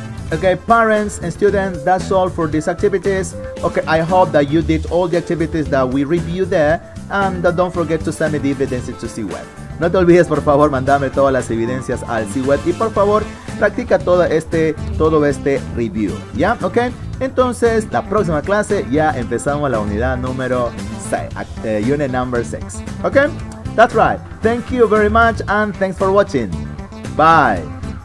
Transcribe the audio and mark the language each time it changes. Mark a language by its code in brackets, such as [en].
[en] Okay, parents and students, that's all for these activities. Okay, I hope that you did all the activities that we reviewed there. And don't forget to send me the evidences to CWeb. [es] No te olvides, por favor, mandame todas las evidencias al CWeb. Y por favor, practica todo este review. ¿Ya? Okay? Entonces, la próxima clase ya empezamos la unidad número 6. [en] Unit number 6. Okay? That's right. Thank you very much and thanks for watching. Bye.